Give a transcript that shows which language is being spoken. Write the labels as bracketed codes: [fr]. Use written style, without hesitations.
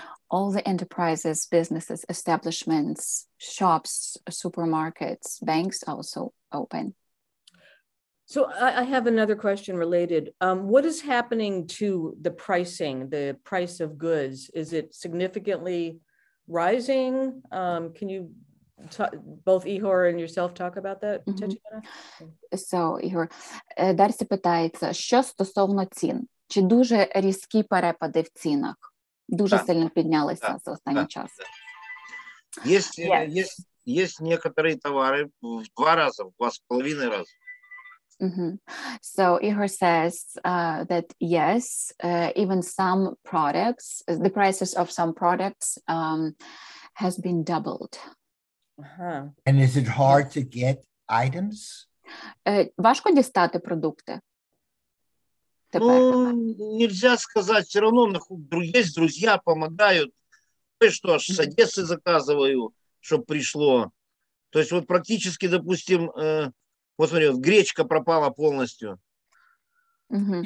[en] All the enterprises, businesses, establishments, shops, supermarkets, banks also open. So I have another question related. What is happening to the pricing, the price of goods? Is it significantly rising? Can you both Ihor and yourself talk about that? Mm-hmm. [uk] So Ihor, Дарси питається, що стосовно цін? Чи дуже різкі перепади в цінах? Дуже да. сильно піднялися да. за останній да. час. [ru] Есть, yes. есть некоторые товары в два раза, в два с половиной раза. Mm-hmm. [en] So Igor says that yes, even some products, the prices of some products has been doubled. Uh-huh. And is it hard to get items? [uk] Важко дістати продукти. [ru] Ну, нельзя сказать, все равно есть друзья, помогают. Кое-что аж с Одессы заказываю, чтобы пришло. То есть вот практически, допустим, вот смотри, вот гречка пропала полностью. Mm-hmm.